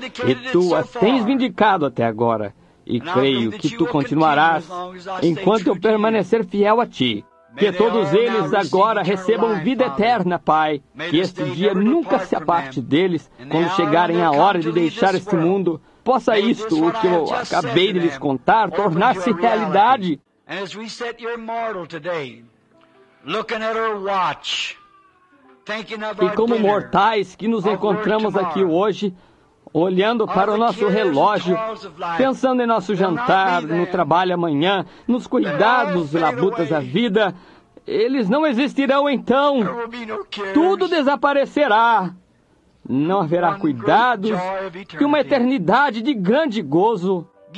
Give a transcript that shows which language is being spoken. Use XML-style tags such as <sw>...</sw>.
<pt>E Tu a tens vindicado até agora. E creio que Tu continuarás enquanto eu permanecer fiel a Ti. Que todos eles agora recebam vida eterna, Pai. Que este dia nunca se aparte deles quando chegarem a hora de deixar este mundo. Possa isto, o que eu acabei de lhes contar, tornar-se realidade.</pt> <en>And as we sit here mortal today, looking at our watch, thinking of our</en> <pt>e como mortais que nos encontramos aqui hoje, olhando para o nosso relógio, pensando em nosso jantar, no trabalho amanhã, nos cuidados, labutas da vida, eles não existirão então. Tudo desaparecerá. Não haverá cuidados e uma eternidade de grande gozo.</pt>